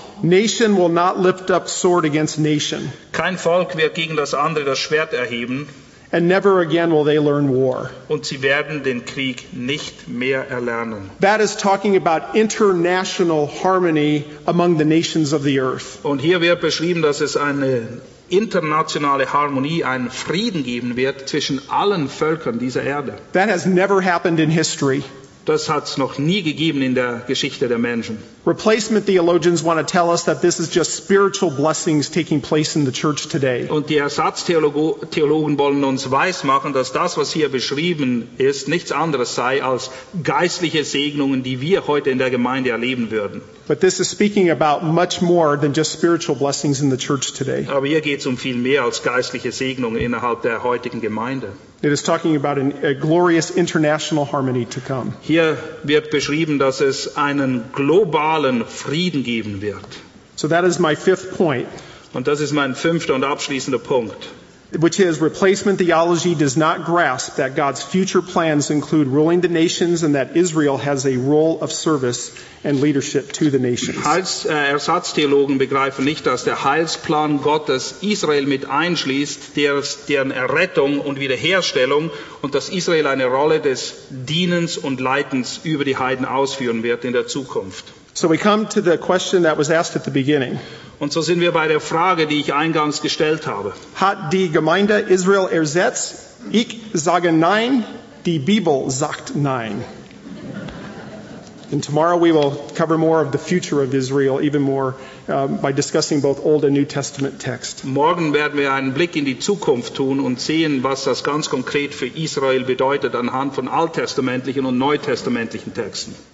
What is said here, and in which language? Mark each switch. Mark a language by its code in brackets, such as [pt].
[en] Nation will not lift up sword against nation. [de] Kein Volk wird gegen das andere das Schwert erheben. [en] And never again will they learn war. [de] Und sie werden den Krieg nicht mehr erlernen. [en] That is talking about international harmony among the nations of the earth. [de] Und hier wird beschrieben, dass es eine internationale Harmonie, einen Frieden geben wird zwischen allen Völkern dieser Erde. [en] That has never happened in history. [de] Das hat es noch nie gegeben in der Geschichte der Menschen. [en] Replacement theologians want to tell us that this is just spiritual blessings taking place in the church today. [de] Und die Ersatztheologen wollen uns weismachen, dass das, was hier beschrieben ist, nichts anderes sei als geistliche Segnungen, die wir heute in der Gemeinde erleben würden. [en] But this is speaking about much more than just spiritual blessings in the church today. [de] Aber hier geht's viel mehr als geistliche Segnungen innerhalb der heutigen Gemeinde. [en] It is talking about a glorious international harmony to come. [de] Hier wird beschrieben, dass es einen globalen Frieden geben wird. [en] So that is my fifth point. [de] Und das ist mein fünfter und abschließender Punkt. [en] Which is, replacement theology does not grasp that God's future plans include ruling the nations and that Israel has a role of service and leadership to the nations. [de] Ersatztheologen begreifen nicht, dass der Heilsplan Gottes Israel mit einschließt, deren Errettung und Wiederherstellung, und dass Israel eine Rolle des Dienens und Leitens über die Heiden ausführen wird in der Zukunft. [en] So we come to the question that was asked at the beginning. [de] Und so sind wir bei der Frage, die ich eingangs gestellt habe. Hat die Gemeinde Israel ersetzt? Ich sage nein, die Bibel sagt nein. [en] And tomorrow we will cover more of the future of Israel, even more by discussing both Old and New Testament text. [de] Morgen werden wir einen Blick in die Zukunft tun und sehen, was das ganz konkret für Israel bedeutet anhand von alttestamentlichen und neutestamentlichen Texten.